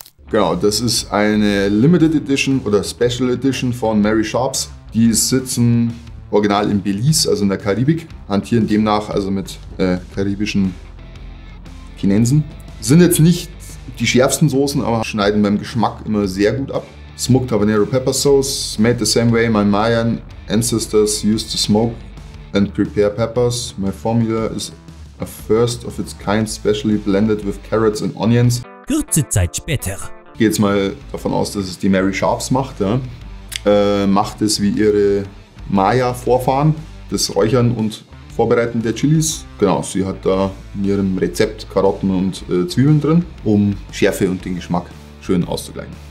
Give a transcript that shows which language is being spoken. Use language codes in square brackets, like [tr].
[de] Genau, das ist eine Limited Edition oder Special Edition von Mary Sharps. Die sitzen original in Belize, also in der Karibik, hantieren demnach also mit karibischen Chinesen. Sind jetzt nicht die schärfsten Soßen, aber schneiden beim Geschmack immer sehr gut ab. [en] Smoked Habanero Pepper Sauce, made the same way my Mayan ancestors used to smoke and prepare peppers. My formula is a first of its kind, specially blended with carrots and onions. [de] Kurze Zeit später. Ich gehe jetzt mal davon aus, dass es die Mary Sharps macht. Ja? Macht es wie ihre Maya-Vorfahren, das Räuchern und Vorbereiten der Chilis. Genau, sie hat da in ihrem Rezept Karotten und Zwiebeln drin, um Schärfe und den Geschmack schön auszugleichen.